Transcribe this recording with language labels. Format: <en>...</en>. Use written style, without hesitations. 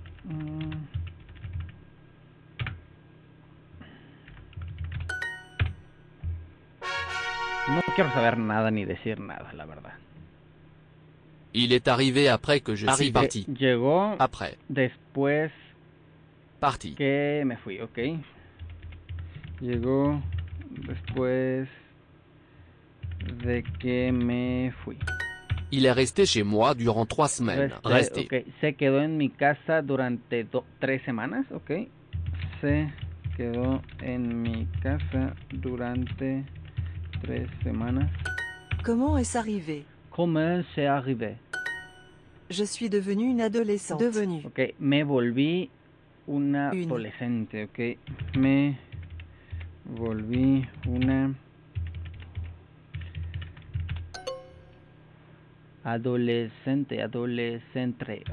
<es>No quiero saber nada ni decir nada, la verdad.</es> <fr>Il est arrivé après que je suis parti.</fr> <es>Llegó</es> <fr>après.</fr> <es>Después.</es> <fr>Parti.</fr> <es>Que me fui, ok. Llegó después de que me fui.</es> <fr>Il est resté chez moi durant 3 semaines. Resté. Okay.</fr> <es>Se quedó en mi casa durante 3 semanas, ok. Se quedó en mi casa durante 3 semanas.</es> <fr>Comment est-ce arrivé? Comment c'est arrivé? Je suis devenu une adolescente.</fr> <es>Devenu. Ok, me volví una adolescente. Ok, me volví una adolescente. Adolescente.</es>